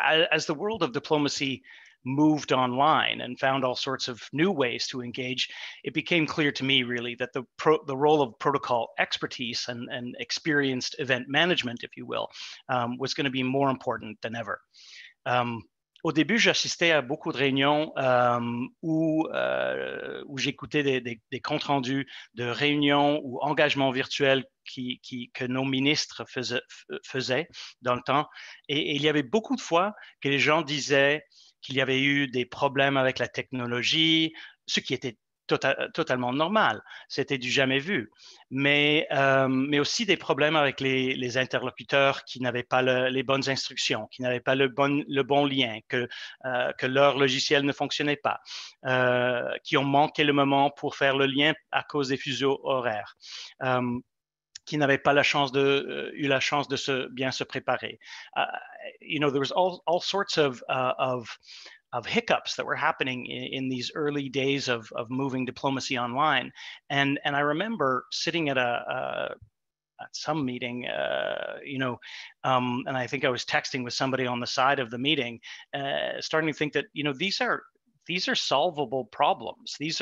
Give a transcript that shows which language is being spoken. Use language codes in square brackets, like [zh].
[en] As the world of diplomacy moved online and found all sorts of new ways to engage, it became clear to me really that the role of protocol expertise and experienced event management, if you will, was going to be more important than ever. [fr] Au début, j'assistais à beaucoup de réunions où j'écoutais des comptes rendus de réunions ou engagements virtuels que nos ministres faisaient dans le temps. Et il y avait beaucoup de fois que les gens disaient qu'il y avait eu des problèmes avec la technologie, ce qui était totalement normal. C'était du jamais vu. Mais aussi des problèmes avec les interlocuteurs qui n'avaient pas les bonnes instructions, qui n'avaient pas le bon lien, que leur logiciel ne fonctionnait pas, qui ont manqué le moment pour faire le lien à cause des fuseaux horaires. Qui n'avait pas eu la chance de bien se préparer. [en] There was all sorts of hiccups that were happening in these early days of moving diplomacy online, and I remember sitting at at some meeting, and I think I was texting with somebody on the side of the meeting, starting to think that these are solvable problems.